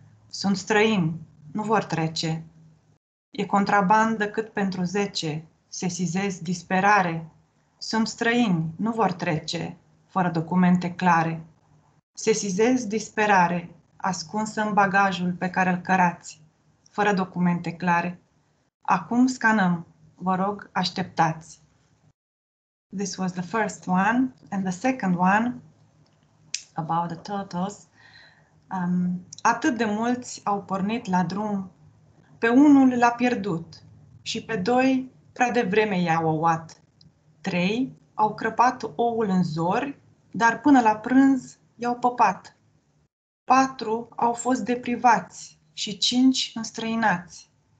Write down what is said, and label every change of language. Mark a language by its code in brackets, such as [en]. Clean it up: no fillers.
[ro] Sunt străini, nu vor trece. E contrabandă cât pentru 10, sesizez disperare. Sunt străini, nu vor trece, fără documente clare. Sesizez disperare, ascunsă în bagajul pe care îl cărați, fără documente clare. Acum scanăm, vă rog, așteptați. [en] This was the first one, and the second one about the turtles. [ro] Atât de mulți au pornit la drum, pe unul l-a pierdut și pe doi prea devreme i-a ouat. Trei au crăpat oul în zori, dar până la prânz i-au păpat. Patru au fost deprivați și cinci înstrăinați.